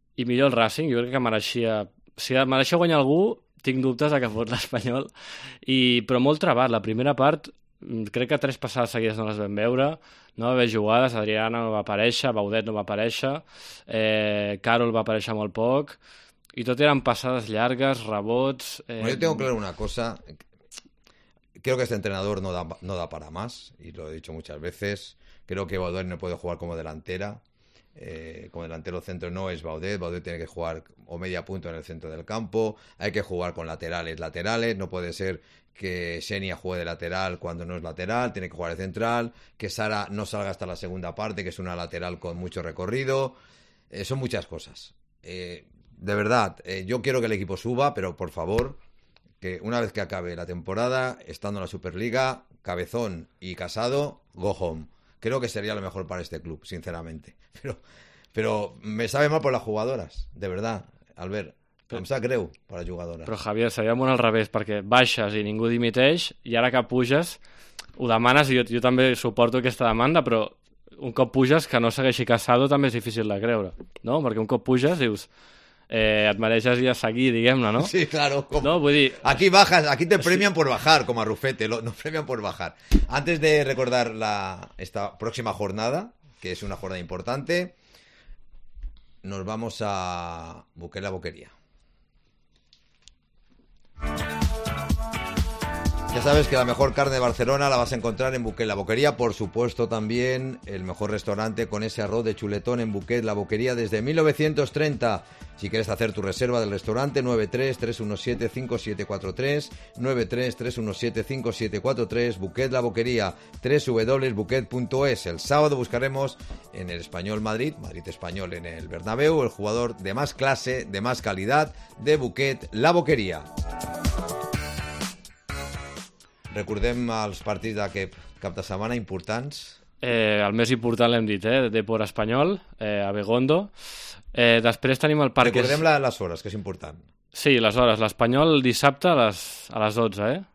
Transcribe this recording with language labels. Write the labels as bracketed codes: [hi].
[ca] I millor el Racing, jo crec que mereixia... Si mereixia guanyar algú, tinc dubtes que fos l'Espanyol. Però molt trebat, la primera part, crec que tres passades seguides no les vam veure, no va haver jugades, Adriana no va aparèixer, Baudet no va aparèixer, Carol va aparèixer molt poc, i tot eren passades llargues, rebots... [es] Bueno, yo tengo claro una cosa, creo que este entrenador no da para más, y lo he dicho muchas veces, creo que Baudet no puede jugar como delantera, como delantero centro no es Baudet, Baudet tiene que jugar o media punto en el centro del campo, hay que jugar con laterales, no puede ser que Xenia juegue de lateral cuando no es lateral, tiene que jugar de central, que Sara no salga hasta la segunda parte, que es una lateral con mucho recorrido, son muchas cosas. De verdad, yo quiero que el equipo suba, pero por favor, que una vez que acabe la temporada, estando en la Superliga, Cabezón y Casado, [en] go home. [es] Creo que sería lo mejor para este club, sinceramente. Pero me sabe mal por las jugadoras, de verdad, Albert. [ca] Em sap greu per a jugadores. Però Javier, seria molt al revés, perquè baixes i ningú dimiteix, i ara que puges ho demanes, i jo també suporto aquesta demanda, però un cop puges que no segueixi Casado també és difícil de creure, no? Perquè un cop puges dius et mereixes ja seguir, diguem-ne, no? [es] Sí, claro. [ca] Com... No, vull dir... [es] Aquí bajas, aquí te premian por bajar, [ca] com a [es] Rufete, no premian por bajar. Antes de recordar esta próxima jornada, que es una jornada importante, nos vamos a buscar la boquería. Ya sabes que la mejor carne de Barcelona la vas a encontrar en Buquet La Boquería. Por supuesto, también el mejor restaurante con ese arroz de chuletón en Buquet La Boquería desde 1930. Si quieres hacer tu reserva del restaurante, 93-317-5743, 93-317-5743, Buquet La Boquería, www.buquet.es. El sábado buscaremos en el Español Madrid, Madrid Español en el Bernabéu, el jugador de más clase, de más calidad de Buquet La Boquería. [ca] Recordem els partits d'aquest cap de setmana importants. El més important l'hem dit, Depor Espanyol, a Abegondo. Després tenim el Parc... Recordem les hores, que és important. Sí, les hores. L'Espanyol dissabte a les 12,